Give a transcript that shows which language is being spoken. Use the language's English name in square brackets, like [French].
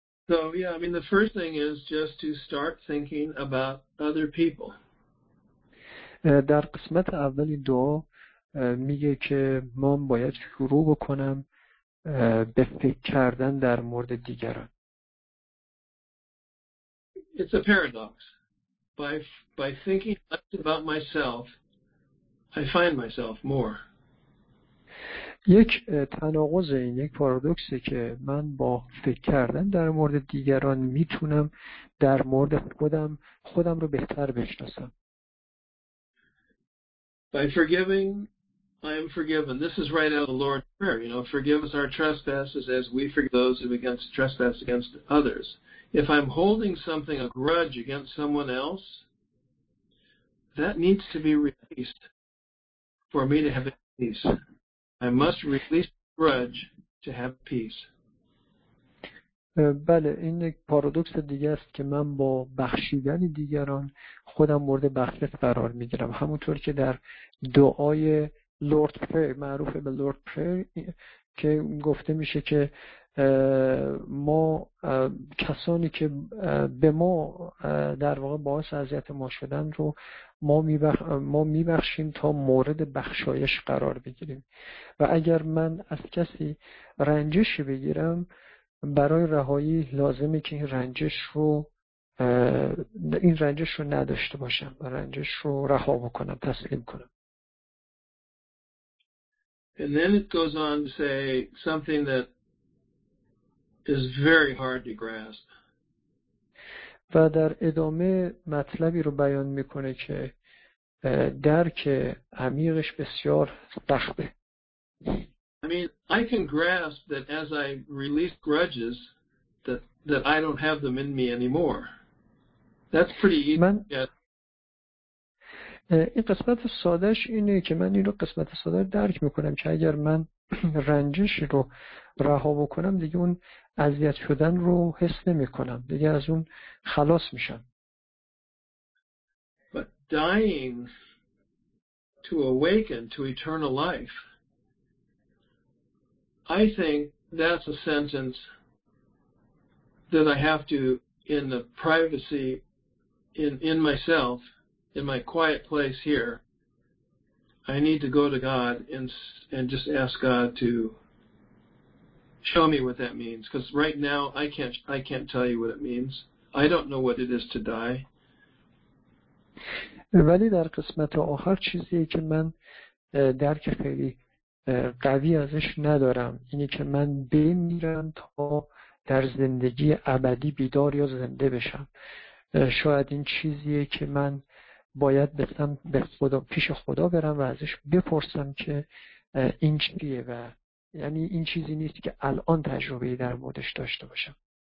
[English] So yeah, I mean the first thing is just to start thinking about other people. [Persian] در قسمت اولی دعا میگه که من باید شروع بکنم به فکر کردن در مورد دیگران. [English] It's a paradox. By thinking less about myself, I find myself more. [Persian] یک تناقض این یک پارادوکسه که من با فکر کردن در مورد دیگران میتونم در مورد خودم رو بهتر بشناسم. [English] By forgiving, I am forgiven. This is right out of the Lord's Prayer. You know, forgive us our trespasses as we forgive those who trespass against others. If I'm holding something, a grudge against someone else, that needs to be released for me to have peace. I must release grudge to have peace. [Persian] بله این یک پارادوکس دیگه است که من با بخشیدن دیگران خودم مورد بخشش قرار میگیرم. همونطور که در دعای لورد پر معروف به لورد پر که گفته میشه که ما کسانی که به ما در واقع باعث اذیت ما شدن رو ما میبخشیم تا مورد بخشایش قرار بگیریم و اگر من از کسی رنجشی بگیرم برای رهایی لازمه که این رنجش رو نداشته باشم و رنجش رو رها بکنم تسلیم کنم. [English] And then it goes on to say something that is very hard to grasp. [Persian] و در ادامه مطلبی رو بیان میکنه که درک عمیقش بسیار سخته. [English] I mean, I can grasp that as I release grudges that I don't have them in me anymore. That's pretty easy. [Persian] من این قسمت سادهش اینه که من اینو قسمت ساده درک میکنم که اگر من رنجش رو رها بکنم دیگه اون اذیت شدن رو حس نمیکنم، دیگه از اون خلاص میشم. [English] But dying to awaken to eternal life, I think that's a sentence that I have to, in the privacy, in myself, in my quiet place here, I need to go to God and just ask God to show me what that means. Because right now I can't tell you what it means. I don't know what it is to die. [Persian] ولی در قسمت آخر چیزی که من درک خیلی قوی ازش ندارم اینه که من بمیرم تا در زندگی ابدی بیدار یا زنده بشم. شاید این چیزیه که من باید بخوام به خدا پیش خدا برم و ازش بپرسم که این چیه و یعنی این چیزی نیست که الان تجربه‌ای در موردش داشته باشم.